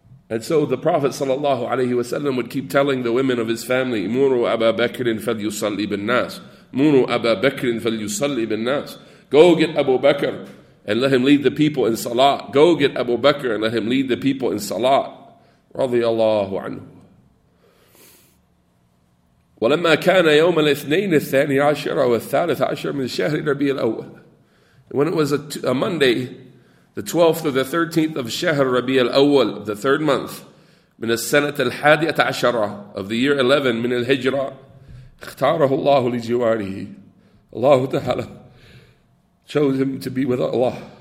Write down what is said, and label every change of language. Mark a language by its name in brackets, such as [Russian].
[English] And so the Prophet sallallahu alaihi wasallam would keep telling the women of his family, [Arabic] "Muru Abu Bakr falyusalli bin nas. [English] Muru Abu Bakr falyusalli bin nas." Go get Abu Bakr and let him lead the people in salat. Go get Abu Bakr and let him lead the people in salat. [Arabic] Radiallahu anhu. ولما كان يوم الاثنين الثاني عشر والثالث عشر من شهر ربيع الأول. [English] When it was a Monday, the 12th or the 13th of شهر ربيع الأول, the third month, [Arabic] من السنة الحادية عشرة [English] of the year 11 [Arabic] من الهجرة, اختاره الله لجواره. [English] الله تعالى chose him to be with Allah.